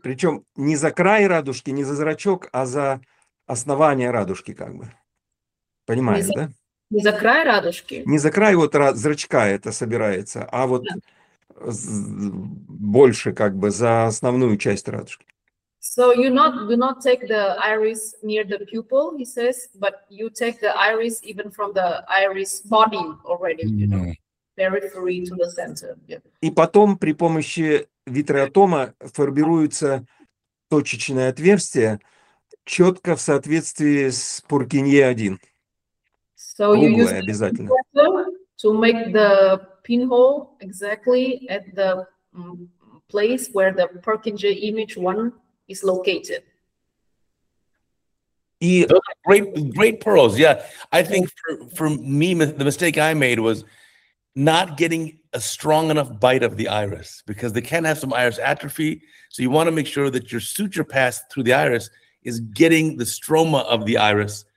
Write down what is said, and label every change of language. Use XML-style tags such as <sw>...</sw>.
<ru>Причем не за край радужки, не за зрачок, а за основание радужки как бы. Понимаешь, да? Не за край радужки. Не за край вот зрачка это собирается, а вот больше как бы за основную часть радужки.</ru> <en>So you not do not take the iris near the pupil, he says, but you take the iris even from the iris body already, you know, periphery to the center. Yeah.</en> <ru>И потом при помощи витреотома формируется точечное отверстие четко в соответствии с Пуркинье 1.</ru> <en>So you use the obturator to make the pinhole exactly at the place where the Purkinje image 1 is located. И great pearls. Yeah. I think for me the mistake I made was not getting a strong enough bite of the iris because they can have some iris atrophy, so you want to make sure that your suture pass through the iris is getting the stroma of the iris.</en>